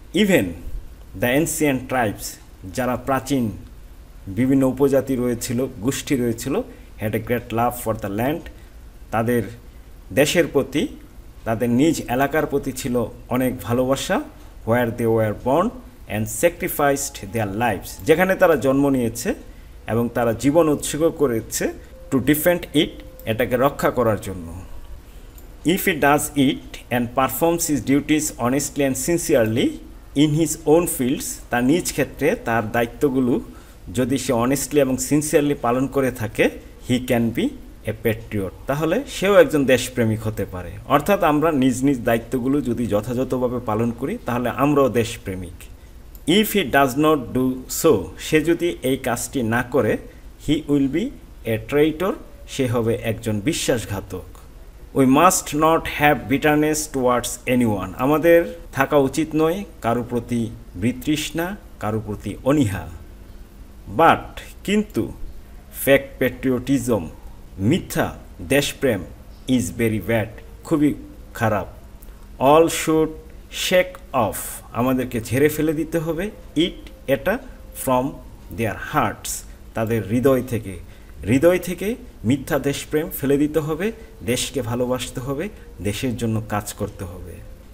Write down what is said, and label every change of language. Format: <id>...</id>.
<en>even the ancient tribes,</en> <bn>যারা প্রাচীন বিভিন্ন উপজাতি রয়েছিল, গোষ্ঠী রয়েছিল,</bn> <en>had a great love for the land,</en> <bn>তাদের দেশের প্রতি, তাদের নিজ এলাকার প্রতি ছিল অনেক ভালোবাসা।</bn> <en>where they were born and sacrificed their lives,</en> <bn>যেখানে তারা জন্ম নিয়েছে এবং তারা জীবন উৎসর্গ করেছে</bn> <en>to defend it,</en> <bn>এটাকে রক্ষা করার জন্য।</bn> <en>If he does it and performs his duties honestly and sincerely in his own fields,</en> <bn>তার নিজ ক্ষেত্রে তার দায়িত্বগুলো যদি সে honestly এবং sincerely পালন করে থাকে,</bn> <en>he can be a patriot.</en> <bn>তাহলে সেও একজন দেশপ্রেমিক হতে পারে। অর্থাৎ আমরা নিজ নিজ দায়িত্বগুলো যদি যথাযথভাবে পালন করি, তাহলে আমরাও দেশপ্রেমিক।</bn> <en>If he does not do so,</en> <bn>সে যদি এই কাজটি না করে,</bn> <en>he will be a traitor,</en> <bn>সে হবে একজন বিশ্বাসঘাতক।</bn> <en>We must not have bitterness towards anyone.</en> <bn>আমাদের থাকা উচিত নয় কারো প্রতি বিতৃষ্ণা, কারো প্রতি অনিহা।</bn> <en>But,</en> <bn>কিন্তু,</bn> <en>fake patriotism,</en> <bn>মিথ্যা দেশপ্রেম,</bn> <en>is very bad,</en> <bn>খুবই খারাপ।</bn> <en>All should shake off,</en> <bn>আমাদেরকে ঝেড়ে ফেলে দিতে হবে, it, এটা,</bn> <en>from their hearts,</en> <bn>তাদের হৃদয় থেকে। হৃদয় থেকে মিথ্যা দেশপ্রেম ফেলে দিতে হবে, দেশকে ভালোবাসতে হবে, দেশের জন্য কাজ করতে হবে।</bn>